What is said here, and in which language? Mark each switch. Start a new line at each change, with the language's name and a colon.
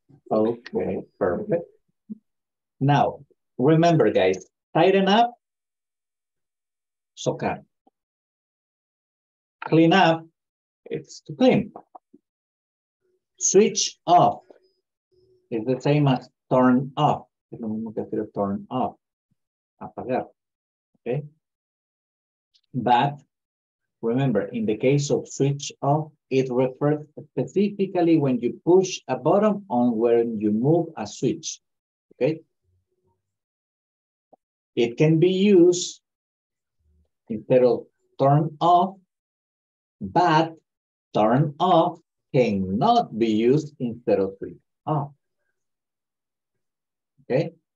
English: Okay, perfect. Now, remember guys, tighten up, socar. Clean up, it's to clean. Switch off is the same as turn off.
Spanish: Es lo mismo que hacer turn off, apagar, okay?
English: But remember, in the case of switch off, it refers specifically when you push a button on when you move a switch, okay? It can be used instead of turn off, but turn off cannot be used instead of switch off, okay?